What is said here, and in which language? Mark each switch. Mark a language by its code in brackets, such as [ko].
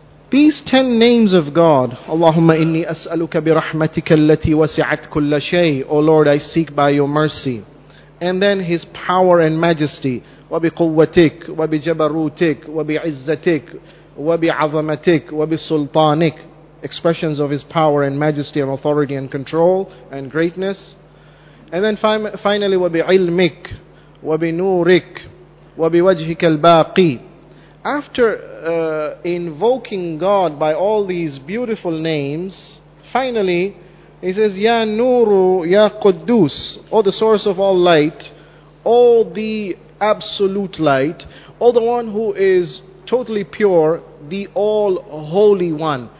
[en] These 10 names of God, [ar] اللهم إني أسألك برحمتك التي وسعت كل شيء, [en] O Lord, I seek by your mercy. And then his power and majesty, [ar] وبقوتك وبجبروتك وبعزتك وَبِعَظَمَتِكْ وَبِسُلْطَانِكْ, [en] expressions of his power and majesty and authority and control and greatness. And then finally, [ar] وَبِعِلْمِكْ وَبِنُورِكْ وَبِوَجْهِكَ الْبَاقِي. [en] After invoking God by all these beautiful names, finally He says, [ar] Ya Nuru, Ya Quddus, [en] O the source of all light, O the absolute light, O the one who is totally pure, the all holy one.